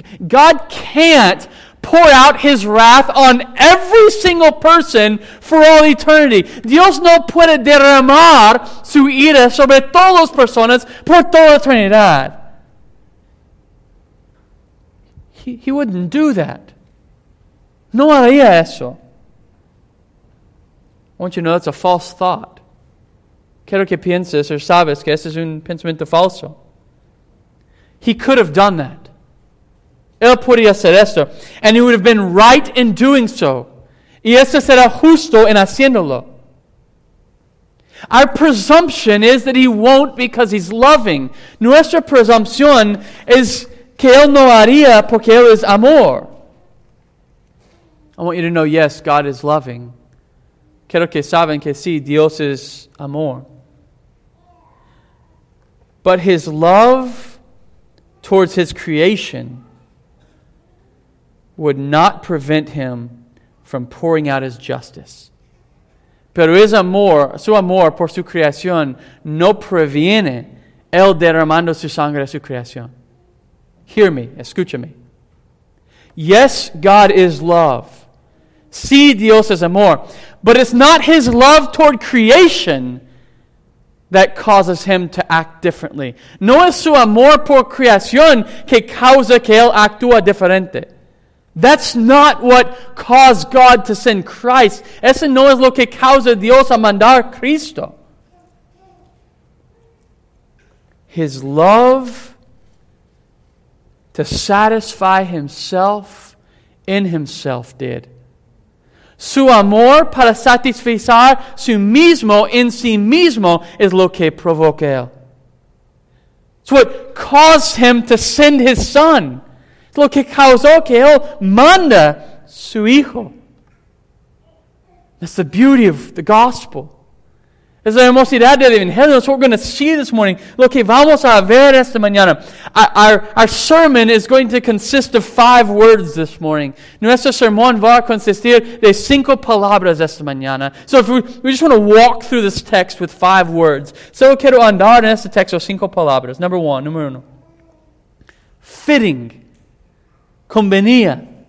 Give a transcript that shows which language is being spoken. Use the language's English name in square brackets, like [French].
[English] God can't pour out his wrath on every single person for all eternity. [Spanish] Dios no puede derramar su ira sobre todas las personas por toda la eternidad. [English] He wouldn't do that. [Spanish] No haría eso. [English] I want you to know that's a false thought. [Spanish] Quiero que pienses o sabes que ese es un pensamiento falso. [English] He could have done that. [Spanish] Él podría hacer esto. [English] And he would have been right in doing so. [Spanish] Y eso será justo en haciéndolo. [English] Our presumption is that he won't because he's loving. [Spanish] Nuestra presumpción es que él no haría porque él es amor. [English] I want you to know, yes, God is loving. [Spanish] Quiero que saben que sí, Dios es amor. [English] But his love towards his creation would not prevent him from pouring out his justice. [Spanish] Pero es amor, su amor por su creación no previene el derramando su sangre a su creación. [English] Hear me, [Spanish] escúchame. [English] Yes, God is love. [Spanish] Sí, Dios es amor. [English] But it's not his love toward creation that causes him to act differently. [Spanish] No es su amor por creación que causa que él actúa diferente. [English] That's not what caused God to send Christ. [Spanish] Eso no es lo que causa Dios a mandar Cristo. [English] His love to satisfy himself in himself did. [Spanish] Su amor para satisfacer su mismo en sí mismo es lo que provoca él. [English] It's what caused him to send his son. [Spanish] Es lo que causó que él manda su hijo. [English] That's the beauty of the gospel. [Spanish] Es la hermosidad del evangelio. [English] That's what we're going to see this morning. [Spanish] Lo que vamos a ver esta mañana. [English] Our sermon is going to consist of 5 words this morning. [Spanish] Nuestro sermón va a consistir de 5 palabras esta mañana. [English] So if we just want to walk through this text with 5 words. [Spanish] So quiero andar en este texto 5 palabras. Número uno. Fitting. Convenía.